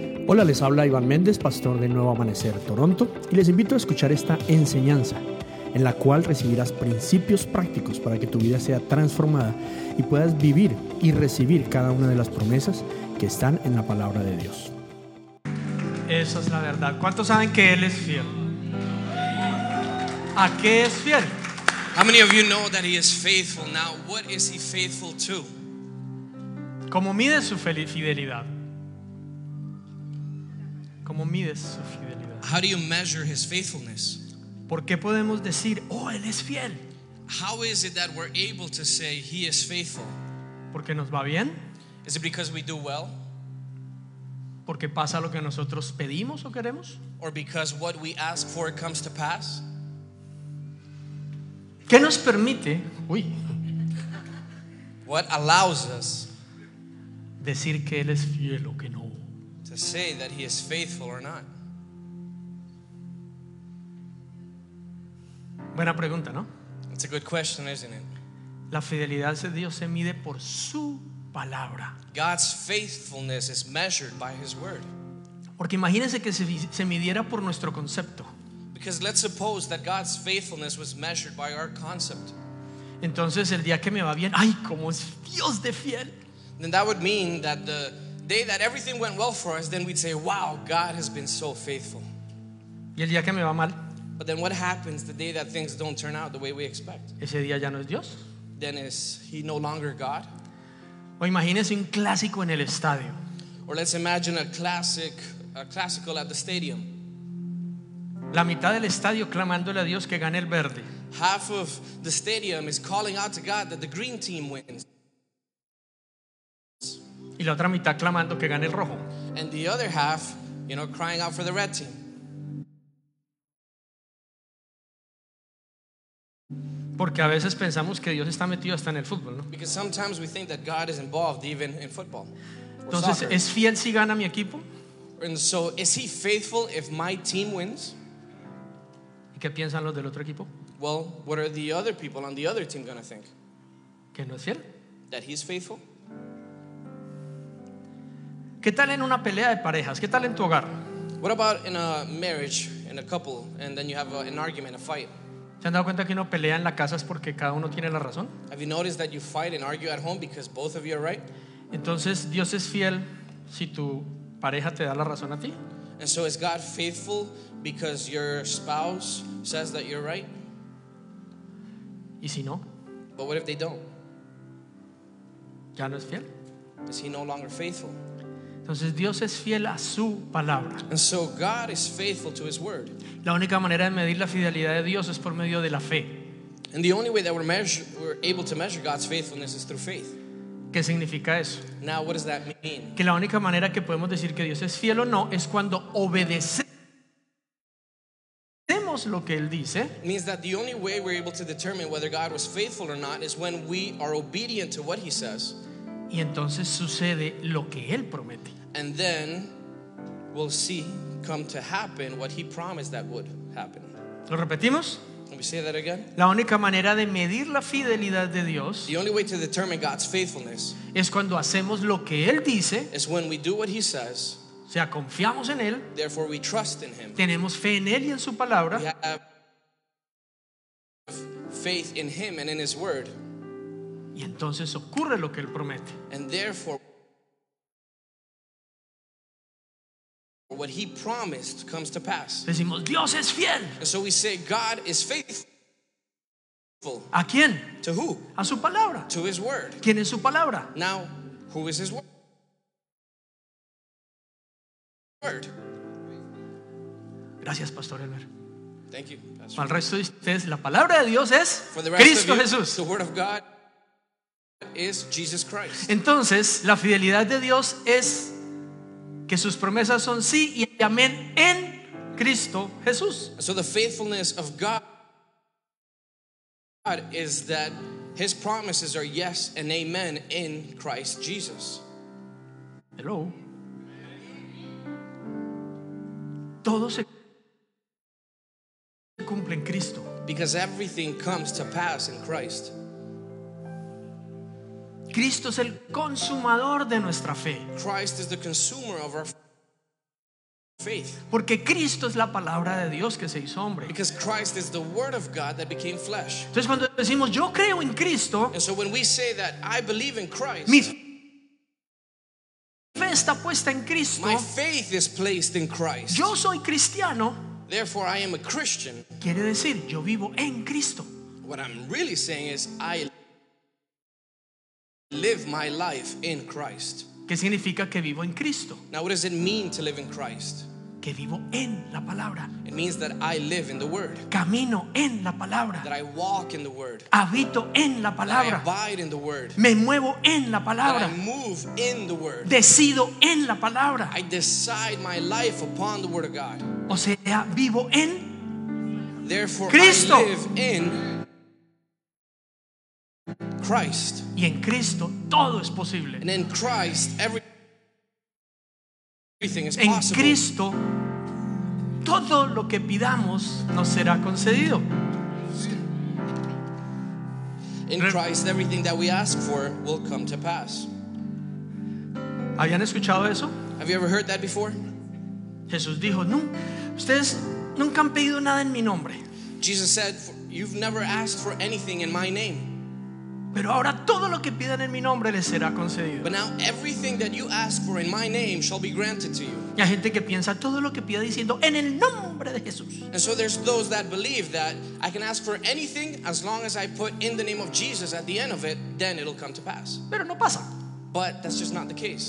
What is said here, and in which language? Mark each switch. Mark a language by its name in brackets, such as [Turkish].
[Spanish] Hola, les habla Iván Méndez, pastor de Nuevo Amanecer, Toronto, y les invito a escuchar esta enseñanza en la cual recibirás principios prácticos para que tu vida sea transformada y puedas vivir y recibir cada una de las promesas que están en la palabra de Dios. Esa es la verdad. ¿Cuántos saben que Él es fiel? ¿A qué es fiel? [English] How many of you know that He is faithful? Now, what is He faithful to? [Spanish] ¿Cómo mide su fidelidad? ¿Cómo mides su fidelidad? [English] How do you measure His faithfulness? [Spanish] ¿Por qué podemos decir, oh, Él es fiel? [English] How is it that we're able to say He is faithful? [Spanish] ¿Porque nos va bien? [English] Is it because we do well? [Spanish] ¿Porque pasa lo que nosotros pedimos o queremos? [English] Or because what we ask for comes to pass? [Spanish] ¿Qué nos permite? Uy. [English] What allows us [Spanish] decir que Él es fiel o que no? [English] To say that He is faithful or not. [Spanish] Buena pregunta, ¿no? [English] It's a good question, isn't it? [Spanish] La fidelidad de Dios se mide por su palabra. [English] God's faithfulness is measured by His word. [Spanish] Porque imagínese que se midiera por nuestro concepto. [English] Because let's suppose that God's faithfulness was measured by our concept. [Spanish] Entonces el día que me va bien, ay, cómo es Dios de fiel. [English] Then that would mean that the day that everything went well for us, then we'd say, wow, God has been so faithful. [Spanish] Y el día que me va mal, [English] but then what happens the day that things don't turn out the way we expect? [Spanish] Ese día ya no es Dios. [English] Then is He no longer God? [Spanish] O imagínese un clásico en el estadio. [English] Or let's imagine a classical at the stadium. [Spanish] La mitad del estadio clamándole a Dios que gane el verde. [English] Half of the stadium is calling out to God that the green team wins. [Spanish] Y la otra mitad clamando que gane el rojo. [English] And the other half, you know, crying out for the red team. [Spanish] Porque a veces pensamos que Dios está metido hasta en el fútbol, ¿no? [English] Because sometimes we think that God is involved even in football. [Spanish] Entonces, [English] soccer. [Spanish] ¿Es fiel si gana mi equipo? [English] And so, is He faithful if my team wins? [Spanish] ¿Y qué piensan los del otro equipo? [English] Well, what are the other people on the other team going to think? [Spanish] ¿Que no es fiel? [English] That He's faithful. [Spanish] ¿Qué tal en una pelea de parejas? ¿Qué tal en tu hogar? [English] What about in a marriage, in a couple, and then you have an argument, a fight? [Spanish] ¿Se han dado cuenta que uno pelea en la casa es porque cada uno tiene la razón? [English] Have you noticed that you fight and argue at home because both of you are right? [Spanish] Entonces, ¿Dios es fiel si tu pareja te da la razón a ti? [English] And so is God faithful because your spouse says that you're right? [Spanish] ¿Y si no? [English] But what if they don't? [Spanish] ¿Ya no es fiel? [English] Is He no longer faithful? [Spanish] Entonces Dios es fiel a su palabra. [English] And so God is faithful to His word. [Spanish] La única manera de medir la fidelidad de Dios es por medio de la fe. [English] And the only way that we're able to measure God's faithfulness is through faith. [Spanish] ¿Qué significa eso? [English] Now, what does that mean? [Spanish] Que la única manera que podemos decir que Dios es fiel o no es cuando obedecemos lo que Él dice. [English] Means that the only way we're able to determine whether God was faithful or not is when we are obedient to what He says. [Spanish] Y entonces sucede lo que Él promete. [English] And then we'll see come to happen what He promised that would happen. [Spanish] ¿Lo repetimos? [English] Let me say that again. [Spanish] La única manera de medir la fidelidad de Dios, [English] the only way to determine God's faithfulness, [Spanish] es cuando hacemos lo que Él dice, [English] is when we do what He says. [Spanish] O sea, confiamos en Él. [English] Therefore we trust in Him. [Spanish] Tenemos fe en Él y en su palabra. [English] We have faith in Him and in His word. [Spanish] Y entonces ocurre lo que Él promete. [English] And therefore, what He promised comes to pass. [Spanish] Decimos, Dios es fiel. [English] And so we say, God is faithful. [Spanish] ¿A quién? [English] To who? [Spanish] A su palabra. [English] To His word. [Spanish] ¿Quién es su palabra? [English] Now, who is His word? [Spanish] Gracias, Pastor Elmer. [English] Thank you, Pastor. [Spanish] Para el resto de ustedes, la palabra de Dios es [English] for the rest [Spanish] Cristo [English] of you, [Spanish] Jesús. [English] The word of God is Jesus Christ. [Spanish] Entonces, la fidelidad de Dios es que sus promesas son sí y amén en Cristo Jesús. [English] So the faithfulness of God is that His promises are yes and amen in Christ Jesus. Hello. [Spanish] Todo se cumple en Cristo. [English] Because everything comes to pass in Christ. [Spanish] Cristo es el consumador de nuestra fe. [English] Christ is the consumer of our faith. [Spanish] Porque Cristo es la palabra de Dios que se hizo hombre. [English] Because Christ is the word of God that became flesh. [Spanish] Entonces cuando decimos yo creo en Cristo, [English] and so when we say that I believe in Christ, [Spanish] mi fe está puesta en Cristo. [English] My faith is placed in Christ. [Spanish] Yo soy cristiano. [English] Therefore I am a Christian. [Spanish] Quiere decir yo vivo en Cristo. [English] What I'm really saying is I live my life in Christ. [Spanish] ¿Qué significa que vivo en Cristo? [English] Now what does it mean to live in Christ? [Spanish] Que vivo en la palabra. [English] It means that I live in the word. [Spanish] Camino en la palabra. [English] That I walk in the word. [Spanish] Habito en la palabra. [English] That I abide in the word. [Spanish] Me muevo en la palabra. [English] That I move in the word. [Spanish] Decido en la palabra. [English] I decide my life upon the word of God. [Spanish] O sea, vivo en [English] therefore, [Spanish] Cristo. [English] I live in Christ. [Spanish] Y en Cristo todo es posible. [English] And in Christ everything is [Spanish] en [English] possible. [Spanish] En Cristo todo lo que pidamos nos será concedido. [English] In Christ everything that we ask for will come to pass. [Spanish] ¿Habían escuchado eso? [English] Have you ever heard that before? [Spanish] Jesús dijo, "No, ustedes nunca han pedido nada en mi nombre." [English] Jesus said, "You've never asked for anything in my name." [Spanish] Pero ahora todo lo que pidan en mi nombre les será concedido. [English] But now everything that you ask for in my name shall be granted to you. [Spanish] Y hay gente que piensa todo lo que pida diciendo en el nombre de Jesús. [English] And so there's those that believe that I can ask for anything as long as I put in the name of Jesus at the end of it, then it'll come to pass. [Spanish] Pero no pasa. [English] But that's just not the case.